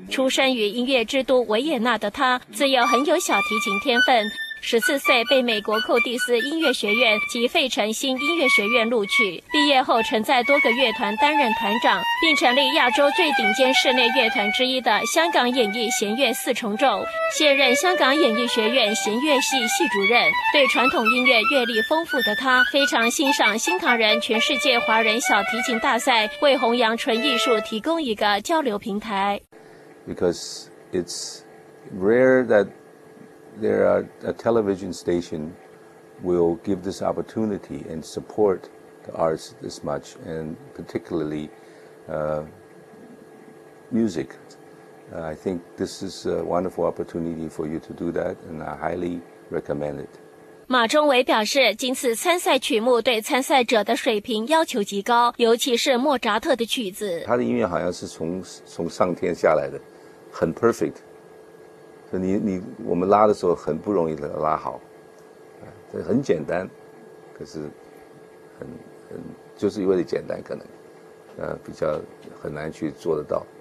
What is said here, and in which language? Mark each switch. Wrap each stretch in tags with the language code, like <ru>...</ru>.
<zh>出生于音乐之都维也纳的他，自幼很有小提琴天分，14岁被美国寇蒂斯音乐学院及费城新音乐学院录取，毕业后曾在多个乐团担任团长，并成立亚洲最顶尖室内乐团之一的香港演艺弦乐四重奏，现任香港演艺学院弦乐系系主任。对传统音乐阅历丰富的他，非常欣赏新唐人全世界华人小提琴大赛为弘扬纯艺术提供一个交流平台。</zh> <en>Because it's rare thatThere are a television station will give this opportunity and support the arts this much, and particularly music. I think this is a wonderful opportunity for you to do that, and I highly recommend it.</en> <zh>马中伟表示，今次参赛曲目对参赛者的水平要求极高，尤其是莫扎特的曲子。他的音乐好像是从上天下来的，很 perfect。我们拉的时候很不容易的拉好，这很简单，可是很就是因为简单，可能比较很难去做得到。</zh>